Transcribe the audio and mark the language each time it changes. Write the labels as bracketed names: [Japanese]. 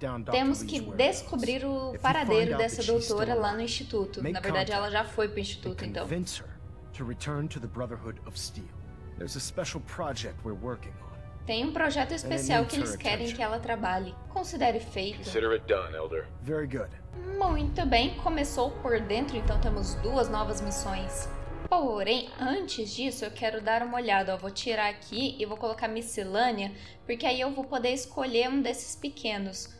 [Portuguese] Temos que descobrir o paradeiro dessa doutora lá no instituto. Na verdade, ela já foi pro instituto, então. [English] Convence her to return to the Brotherhood of Steel. There's a special project we're working on. [Portuguese] Tem um projeto especial que eles querem que ela trabalhe. Considere feito. [English] Consider it done, Elder. Very good. [Portuguese] Muito bem, começou por dentro, então temos duas novas missões. Porém, antes disso, eu quero dar uma olhada. Eu vou tirar aqui e vou colocar miscelânea, porque aí eu vou poder escolher um desses pequenos.